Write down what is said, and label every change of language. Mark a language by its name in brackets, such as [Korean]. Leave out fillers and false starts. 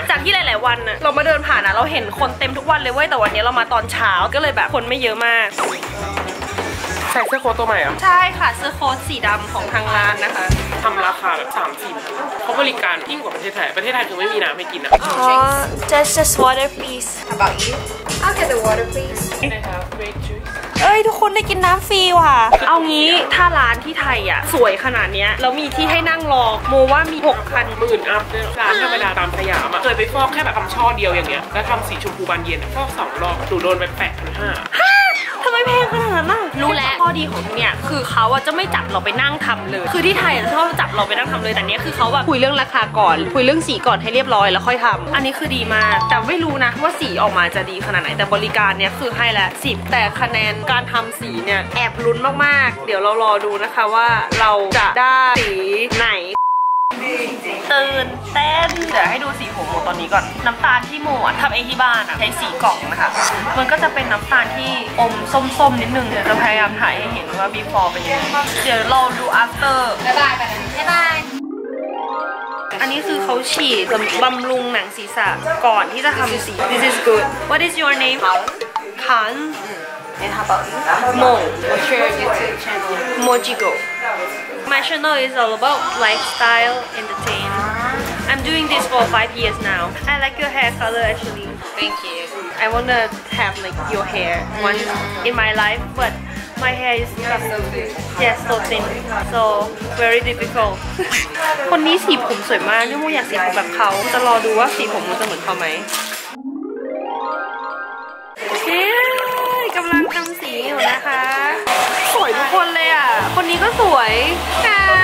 [Thai] จากที่หลายๆวันเรามาเดินผ่านอ่ะเราเห็นคนเต็มทุกวันเลยเว้ยแต่วันนี้เรามาตอนเช้าก็เลยแบบคนไม่เยอะมาก ใส่เสื้อโค้ทตัวใหม่อ่ะ ใช่ค่ะเสื้อโค้ทสีดำของทางร้านนะคะ ทำราคาแบบ3-4 บาทเพราะบริการยิ่งกว่าประเทศไทยประเทศไทยคือไม่มีน้ำให้กิน อ่ ะ [English] Just water please How about you I'll get the water please Can I have grape juice [Thai] เอ้ยทุกคนได้กินน้ำฟรีว่ะ เอางี้ถ้าร้านที่ไทยอ่ะสวยขนาดเนี้ยแล้วมีที่ให้นั่งรอโมว่ามี 6,000 หมื่นอัพเลยร้านธรรมดาตามสยามอ่ะเคยไปฟอกแค่แบบทำช่อเดียวอย่างเงี้ยแล้วทำสีชมพูบานเย็นฟอก2รอบหนูโดนไป 8,500 ฮะทำไมแพงขนาดนั้นน่ะ รู้แล้วข้อดีของเนี่ยคือเขาอ่ะจะไม่จับเราไปนั่งทำเลยคือที่ไทยจะชอบจับเราไปนั่งทำเลยแต่เนี้ยคือเขาแบบคุยเรื่องราคาก่อนคุยเรื่องสีก่อนให้เรียบร้อยแล้วค่อยทำอันนี้คือดีมากแต่ไม่รู้นะว่าสีออกมาจะดีขนาดไหนแต่บริการเนี้ยคือให้แล้ว10แต่คะแนนการทำสีเนี่ยแอบลุ้นมากๆเดี๋ยวเรารอดูนะคะว่าเราจะได้สีไหนตื่นเต้น เดี๋ยวให้ดูสีผมโมตอนนี้ก่อนน้ำตาลที่โมอ่ะทำเองที่บ้านอ่ะใช้สีกล่องนะคะมันก็จะเป็นน้ำตาลที่อมส้มๆนิดนึงเดี๋ยวจะพยายามถ่ายให้เห็นว่าbeforeเป็นยังไงเดี๋ยวรอดูafter บ๊ายบาย บ๊ายบาย อันนี้คือเขาฉีดบำรุงหนังศีรษะก่อนที่จะทำสี [English] This is good What is your name Khan And how about Mo What's your YouTube channel Mojigo My channel is all about lifestyle entertain I'm doing this for 5 years now I like your hair color actually Thank you I wanna have like your hair once in my life butMy hair is so yes so thin so very difficult. [Thai] คนนี้สีผมสวยมากนี่โมอยากสีผมแบบเขาจะรอดูว่าสีผมมันจะเหมือนเขาไหมเย้กำลังทำสีอยู่นะคะสวยทุกคนเลยอ่ะคนนี้ก็สวยค่ะ